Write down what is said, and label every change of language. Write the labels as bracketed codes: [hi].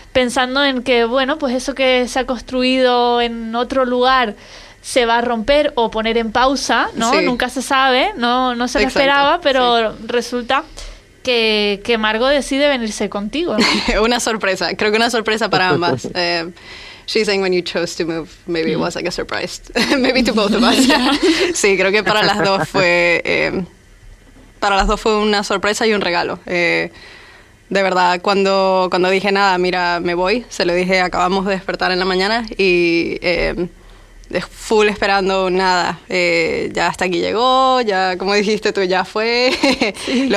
[es] pensando en que, bueno, pues eso que se ha construido en otro lugar se va a romper o poner en pausa, ¿no? Sí. Nunca se sabe, no se exacto, lo esperaba, pero sí, resulta que Margo decide venirse contigo. Una sorpresa, creo que una sorpresa para ambas. [en] She's saying when you chose to move, maybe it was like a surprise. Maybe to both of us. [es] Sí, creo que para las dos fue una sorpresa y un regalo. De verdad, cuando dije nada, mira, me voy, se lo dije, acabamos de despertar en la mañana y full esperando nada, ya hasta aquí llegó, ya como dijiste tú, ya fue, sí.